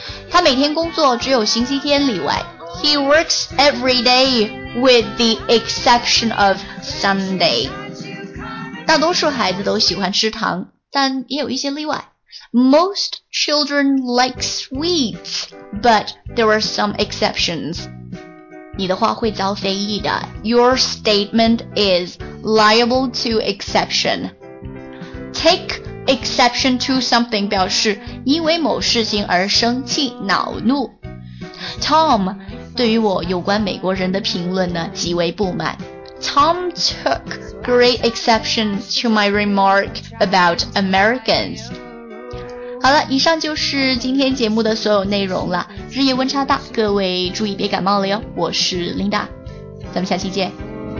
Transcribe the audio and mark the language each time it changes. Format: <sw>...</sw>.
<zh>他每天工作只有星期天例外。</zh> <en>He works every day with the exception of Sunday.</en> <zh>大多数孩子都喜欢吃糖，但也有一些例外。</zh> <en>Most children like sweets, but there are some exceptions.</en> <zh>你的话会遭非议的。</zh> <en>Your statement is liable to exception. Take exception to something</en> <zh>表示因为某事情而生气、恼怒。 Tom 对于我有关美国人的评论呢，极为不满。</zh> <en>Tom took great exception to my remark about Americans.</en> <zh>好了，以上就是今天节目的所有内容了。日夜温差大，各位注意别感冒了哟。我是 Linda， 咱们下期见。</zh>